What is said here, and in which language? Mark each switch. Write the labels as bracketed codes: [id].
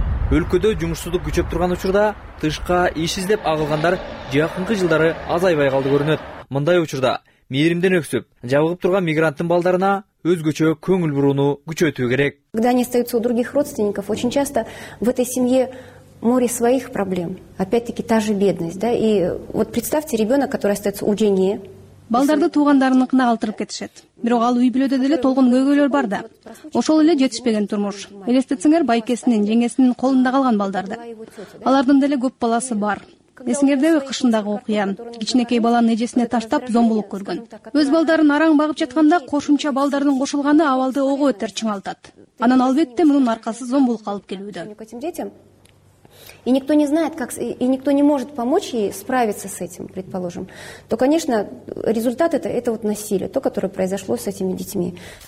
[ky] Өлкөдө жумушсуздук күчөп турган учурда тышка иш издеп агылгандар жакынкы жылдары азайбай калды көрүнөт. Мындай учурда мээримден өксүп жабыгып турган мигранттын балдарына өзгөчө көңүл бурууну күчөтүү керек. [ru] Когда они остаются у других родственников, очень часто в этой семье море своих проблем. Опять-таки та же бедность, да? И вот представьте ребёнок, который остаётся у жены. [ky] Балдарды туугандарыныкына калтырып кетишет. Бирок ал үй бүлөдө деле толгон көйгөйлөр бар да. Ошол эле жетишпеген турмуш. Элестетсеңер байкесинин, жеңесинин колунда калган балдарды. Алардын деле көп баласы бар. Эсиңердеби кышындагы окуя? Кичинекей баланын эжесине таштап зомбулук көргөн. Өз балдарын араң багып жатканда кошумча балдардын кошулганы абалды ого бетер чыңалтат. Анан албетте мунун аркасы зомбулук алып келүүдө. [ru] И никто не знает, как и никто не может помочь ей справиться с этим, предположим. То, конечно, результат это вот насилие, то, которое произошло с этими детьми.